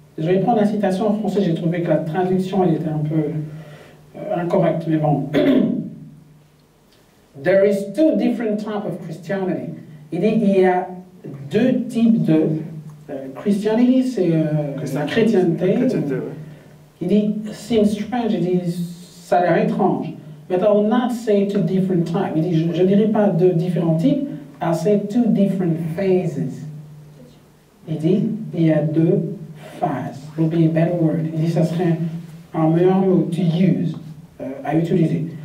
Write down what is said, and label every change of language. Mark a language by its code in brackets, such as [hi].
[fr] Je vais prendre la citation en français, j'ai trouvé que la traduction elle était un peu incorrecte, mais bon. [en] There is two different types of Christianity. [fr] Il dit, il y a deux types de Christianity, c'est la chrétienté. Ouais. Il dit, [en] seems strange, [fr] il dit, ça a l'air étrange. [en] But I will not say two different types. [fr] Il dit, je ne dirai pas deux différents types, [en] I say two different phases. [fr] Il dit, il y a deux phases. [en] Would be a better word. [fr] Il dit, ça serait un meilleur mot [en] to use, [fr] à utiliser.